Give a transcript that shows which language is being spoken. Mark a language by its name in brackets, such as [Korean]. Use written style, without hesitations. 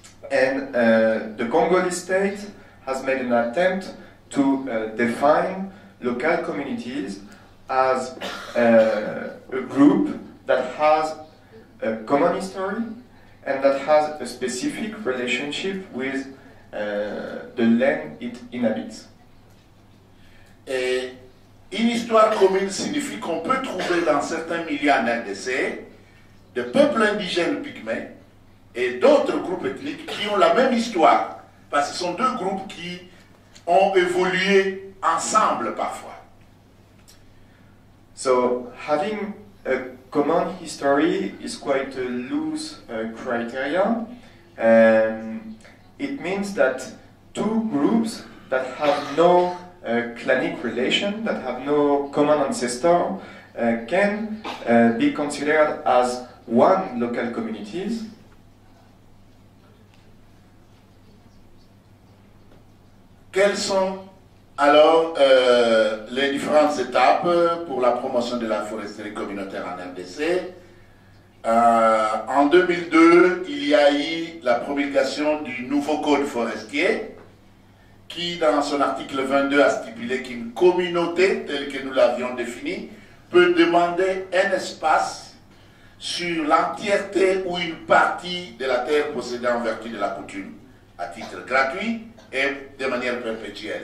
[English] And the Congolese state has made an attempt to define local communities as a group that has a common history and that has a specific relationship with the land it inhabits. [French] Et une histoire commune signifie qu'on peut trouver dans certains milieux en RDC des peuples indigènes pygmées et d'autres groupes ethniques qui ont la même histoire, parce que ce sont deux groupes qui ont évolué ensemble parfois. [English] So, having a common history is quite a loose criterion. It means that two groups that have no clanic relation, that have no common ancestor, can be considered as one local community. [French] Quelles sont alors les différentes étapes pour la promotion de la foresterie communautaire en RDC? En 2002, il y a eu la promulgation du nouveau code forestier qui, dans son article 22, a stipulé qu'une communauté telle que nous l'avions définie peut demander un espace sur l'entièreté ou une partie de la terre possédée en vertu de la coutume à titre gratuit et de manière perpétuelle.